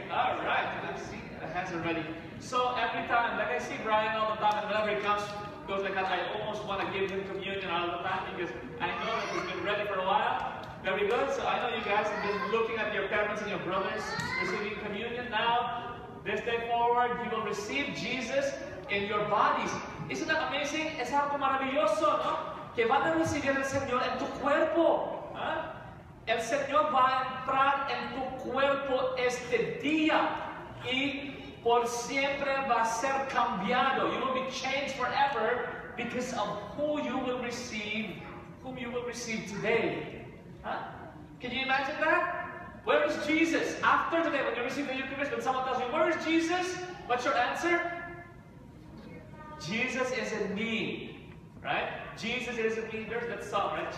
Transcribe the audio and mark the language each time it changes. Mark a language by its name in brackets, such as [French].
[English] All right, let's see. The hands are ready. So every time, like I see Brian all the time, and whenever he comes, goes like that, I almost want to give him communion all the time because I know that he's been ready for a while. Very good. So I know you guys have been looking at your parents and your brothers receiving communion. Now, this day forward, you will receive Jesus in your bodies. Isn't that amazing? [Spanish] Es algo maravilloso, ¿no? Que van a recibir el Señor en tu cuerpo. ¿Eh? El Señor va a entrar en tu cuerpo este día y por siempre va a ser cambiado. [English] You will be changed forever because of who you will receive, whom you will receive today. Huh? Can you imagine that? Where is Jesus? After today, when you receive the Eucharist, when someone tells you, where is Jesus? What's your answer? Jesus is in me. Right? Jesus is in me. There's that song, right?